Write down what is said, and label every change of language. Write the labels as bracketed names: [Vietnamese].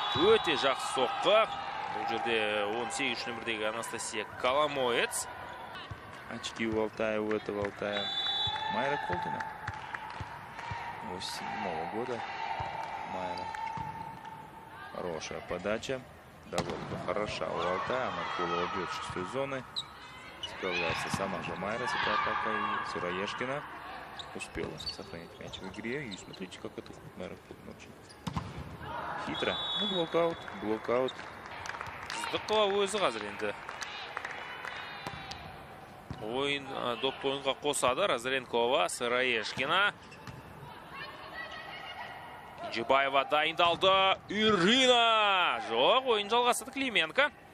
[Kazakh] Өте жақсы соққы. Бұл жерде 18 нөмірдегі Анастасия Коломоец. [Russian] Очки у Алтая, у этого Алтая. Майра Колдина. 87-го года. Майра. Хорошая подача. Довольно хороша у Алтая. Маркулова бьет 6-й зоны. Справляется сама же Майра с этой атакой. Сыроежкина успела сохранить мяч в игре. И смотрите, как это ходит Майра Колдина. Очень хитро. Ну, блокаут, блокаут. [Kazakh] Дықылауы өзі қазір енді. Ойын, допты ойынға қосады. Разренкова, Сыраешкина. Кенжебаева дайындалды. Ирина! Жоқ, ойын жалғасады Клименко.